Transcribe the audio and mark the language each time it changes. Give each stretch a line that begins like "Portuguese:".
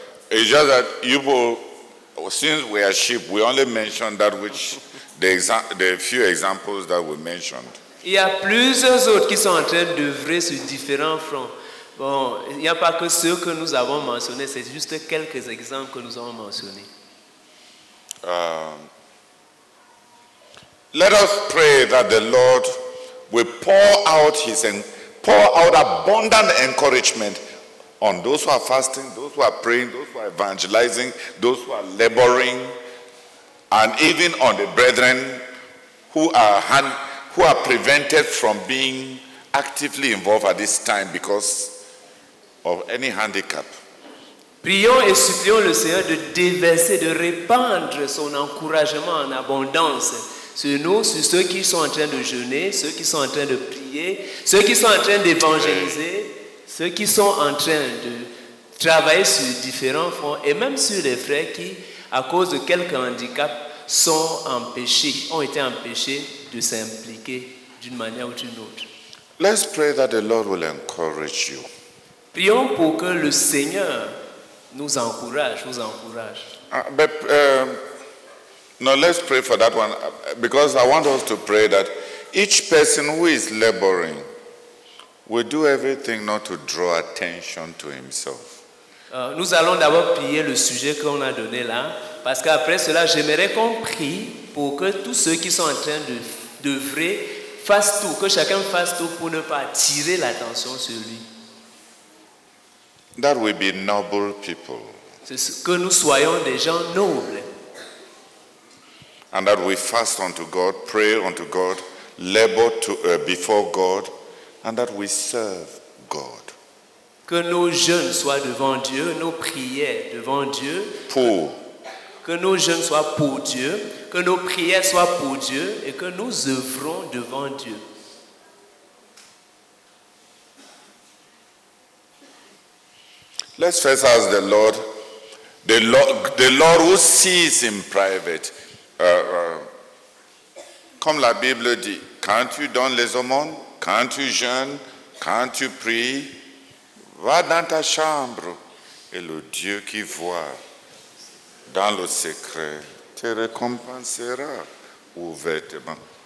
English: It's just that you will, since we are sheep, we only mention that which the few examples that we mentioned.
French: Il y a plusieurs autres qui sont en train d'œuvrer sur différents fronts. Bon, il n'y a pas que ceux que nous avons mentionnés, c'est juste quelques exemples que nous avons mentionnés.
English: Let us pray that the Lord will pour out abundant encouragement on those who are fasting, those who are praying, those who are evangelizing, those who are laboring, and even on the brethren who are prevented from being actively involved at this time because of any handicap.
French: Prions et supplions le Seigneur de déverser, de répandre son encouragement en abondance sur nous, sur ceux qui sont en train de jeûner, ceux qui sont en train de prier, ceux qui sont en train d'évangéliser, ceux qui sont en train de travailler sur différents fronts et même sur les frères qui, à cause de quelques handicaps, sont empêchés, ont été empêchés de s'impliquer d'une manière ou d'une autre.
English: Let's pray that the Lord will encourage you.
French: Prions pour que le Seigneur nous encourage, vous encourage.
English: But let's pray for that one because I want us to pray that each person who is laboring will do everything not to draw attention to himself.
French: Nous allons d'abord prier le sujet qu'on a donné là, parce qu'après cela, j'aimerais qu'on prie pour que tous ceux qui sont en train d'œuvrer fassent tout, que chacun fasse tout pour ne pas attirer l'attention sur lui.
English: That we be noble people.
French: C'est que nous soyons des gens nobles.
English: And that we fast unto God, pray unto God, labor to before God, and that we serve God.
French: Que nos jeunes soient devant Dieu, nos prières devant Dieu. Pour. Que nos jeunes soient pour Dieu, que nos prières soient pour Dieu, et que nous œuvrons devant Dieu. Let's first ask the Lord who sees in private. Comme la Bible dit, quand tu donnes les aumônes, quand tu jeûnes, quand tu pries, va dans ta chambre et le Dieu qui voit dans le secret te récompensera ouvertement.